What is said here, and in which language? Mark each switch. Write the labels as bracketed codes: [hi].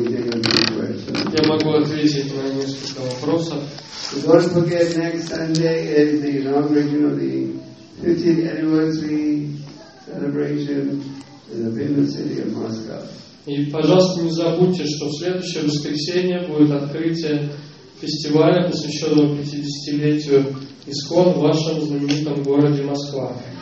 [ru] Я могу ответить на несколько вопросов. [en] Don't forget, next Sunday is the inauguration of the 50th anniversary celebration in the famous city of Moscow. [ru] И, пожалуйста, не забудьте, что в следующее воскресенье будет открытие фестиваля, посвященного 50-летию ИСКОН в вашем знаменитом городе Москва.